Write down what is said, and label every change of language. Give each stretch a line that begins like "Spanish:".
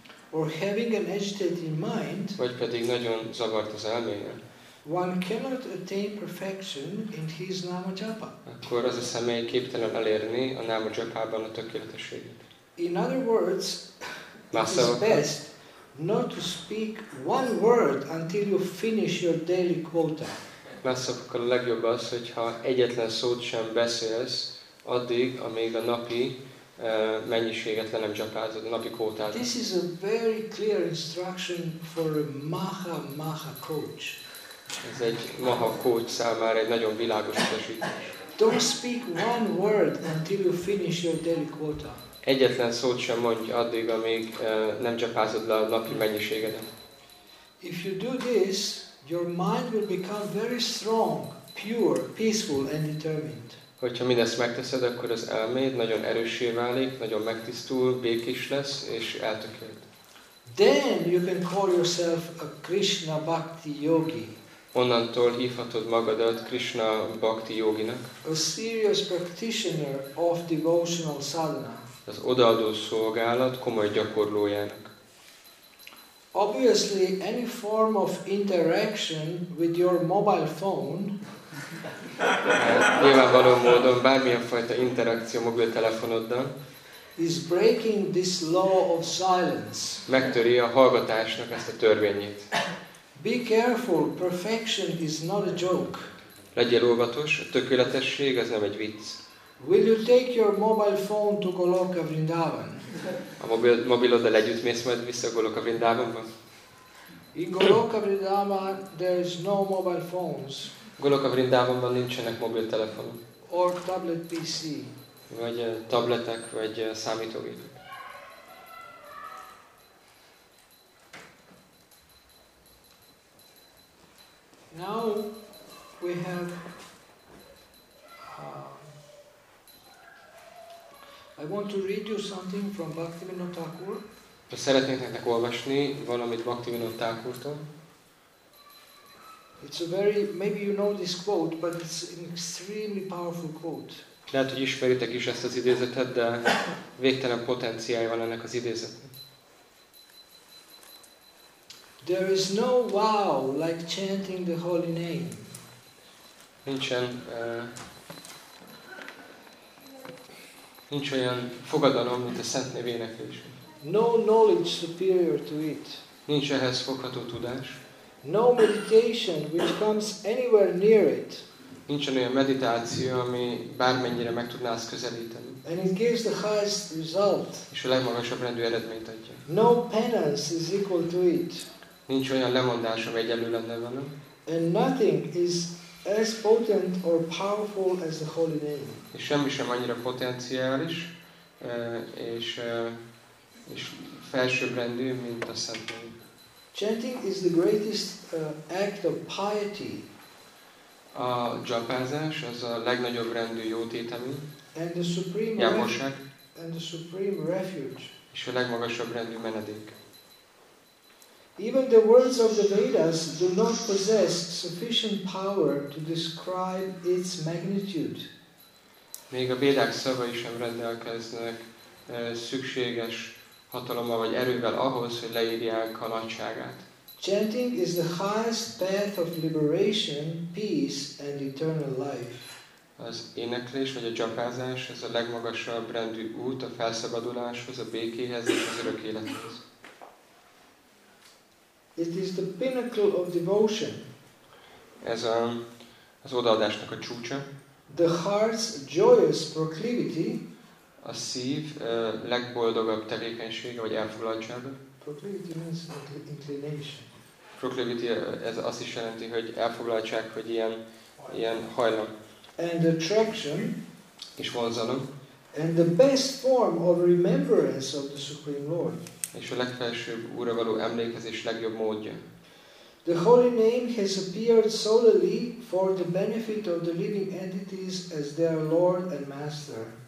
English: Or having an agitated mind.
Hungarian: Vagy pedig nagyon zavart az elméje.
English: One cannot attain perfection in his nama japa.
Hungarian: Akkor az a személy képtelen elérni a nama japában a tökéletességet.
English: In other words, it's best not to speak one word until you finish your daily quota.
Hungarian: Mászok, a legjobb az, hogyha egyetlen szót sem beszélsz addig, amíg a napi mennyiséget le nem japázod, a napi kvótát.
English: This is a very clear instruction for a maha coach.
Hungarian: Ez egy maha coach számára egy nagyon világos utasítás.
English: Don't speak one word until you finish your daily quota.
Hungarian: Egyetlen szót sem mondj addig, amíg nem japázod le a napi mennyiségedet.
English: If you do this, your mind will become very strong, pure, peaceful and determined.
Hungarian: Hogyha mindezt megteszed, akkor az elméd nagyon erőssé válik, nagyon megtisztul, békés lesz és eltökélt.
English: Then you can call yourself a Krishna Bhakti Yogi.
Hungarian: Onnantól hívhatod magadat Krishna Bhakti Yoginak.
English: A serious practitioner of devotional sadhana.
Hungarian: Az odaadó szolgálat komoly gyakorlójának.
English: Obviously any form of interaction with your mobile phone.
Hungarian: Nyilvánvaló módon bármilyen fajta interakció mobiltelefonoddal
English: is breaking this law of silence.
Hungarian: Megtöri a hallgatásnak ezt a törvényét.
English: Be careful, perfection is not a joke.
Hungarian: Legyél óvatos, a tökéletesség az nem egy vicc.
English: Will you take your mobile phone to Goloka Vrindavan?
Hungarian: A mobiloddal együtt mész majd vissza Goloka Vrindavanba?
English: In Goloka Vrindavan there is no mobile phones.
Hungarian: Goloka Vrindavanban nincsenek mobiltelefonok.
English: Or tablet PC.
Hungarian: Vagy tabletek, vagy számítógépek.
English: Now we have I want to read you something from Bhaktivinoda Thakur.
Hungarian: Szeretnék nektek olvasni valamit Bhaktivinoda Thakurtól.
English: It's a very, maybe you know this quote, but it's an extremely powerful quote.
Hungarian: Lehet, hogy ismeritek is ezt az idézetet, de végtelen potenciálja van ennek az idézetnek.
English: There is no wow like chanting the holy name.
Hungarian: Nincsen, nincs olyan fogadalom, mint a szent név éneklés.
English: No knowledge superior to it.
Hungarian: Nincs ehhez fogható tudás.
English: No meditation which comes anywhere near it.
Hungarian: Nincsen olyan meditáció, ami bármennyire meg tudná ezt közelíteni.
English: And it gives the highest result.
Hungarian: És a legmagasabb rendű eredményt adja.
English: No penance is equal to it.
Hungarian: Nincs olyan lemondás, ami egyenlő lenne vele.
English: And nothing is as potent or powerful as the holy name.
Hungarian: És semmi sem annyira potenciális, és felsőbbrendű, mint a szent név.
English: Chanting is the greatest act of piety.
Hungarian: A japázás az a legnagyobb rendű jótétemű.
English: And the supreme
Hungarian: jámosság.
English: And the supreme refuge.
Hungarian: És a legmagasabb rendű menedék.
English: Even the words of the Vedas do not possess sufficient power to describe its magnitude.
Hungarian: Még a Védák szavai sem rendelkeznek szükséges hatalommal vagy erővel ahhoz, hogy leírják a nagyságát.
English: Chanting is the highest path of liberation, peace and eternal life.
Hungarian: Az éneklés vagy a japázás ez a legmagasabb rendű út a felszabaduláshoz, a békéhez és az örök élethez.
English: It is the pinnacle of devotion.
Hungarian: Ez az odaadásnak a csúcsa.
English: The heart's joyous proclivity.
Hungarian: A szív legboldogabb tevékenysége vagy elfoglaltsága.
English: Proclivity means inclination.
Hungarian: Proclivity ez azt is jelenti, hogy elfoglaltság, hogy ilyen hajlam.
English: And attraction.
Hungarian: És vonzalom.
English: And the best form of remembrance of the Supreme Lord.
Hungarian: És a legfelsőbb Úrra való emlékezés legjobb módja.
English: The holy name has appeared solely for the benefit of the living entities as their Lord and Master.